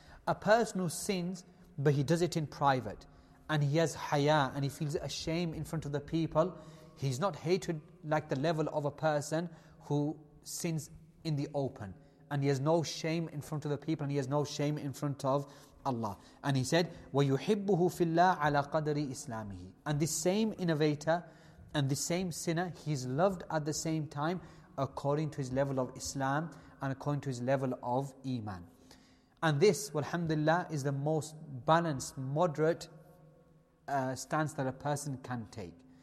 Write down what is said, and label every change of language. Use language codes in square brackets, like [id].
[en] A person who sins, but he does it in private, and he has haya, and he feels ashamed in front of the people, he's not hatred like the level of a person who sins in the open, and he has no shame in front of the people, and he has no shame in front of Allah. And he said, [ar] وَيُحِبُّهُ فِي اللَّهِ عَلَىٰ قَدْرِ إِسْلَامِهِ. [en] And this same innovator and the same sinner, he's loved at the same time according to his level of Islam and according to his level of Iman. And this, alhamdulillah, is the most balanced, moderate stance that a person can take.